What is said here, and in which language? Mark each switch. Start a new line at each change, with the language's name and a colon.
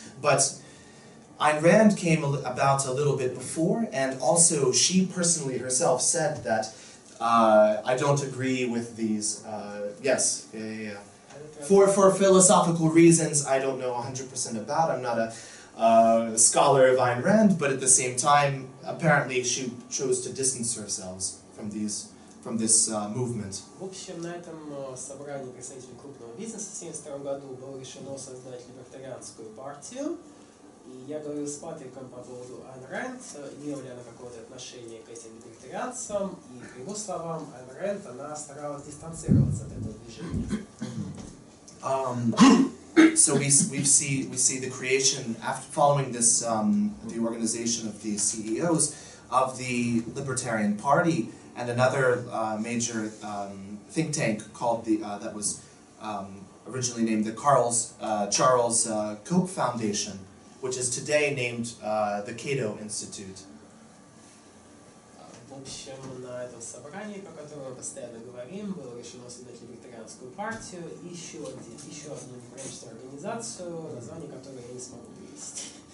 English: But Ayn Rand came about a little bit before, and also she personally herself said that I don't agree with these, yes, yeah. For philosophical reasons, I don't know 100% about, I'm not a scholar of Ayn Rand, but at the same time, apparently she chose to distance herself from these. From this movement.
Russian: В общем, на этом собрании представителей крупного бизнеса в 72 году было решено создать либертарианскую партию. И я говорил с Патриком по поводу Айн Рэнд, имела ли она какое-то отношение к этим либертарианцам. И по его словам, Айн Рэнд, она старалась дистанцироваться от этого движения.
English: So we see the creation after following this the organization of the CEOs of the Libertarian Party. And another major think tank called the that was originally named the Charles Koch Foundation, which is today named the Cato Institute.
Russian: В общем, на этом собрании, по которому мы постоянно говорим, было решено создать либертарианскую партию и еще одну небольшую организацию, название которой я не смогу перевести.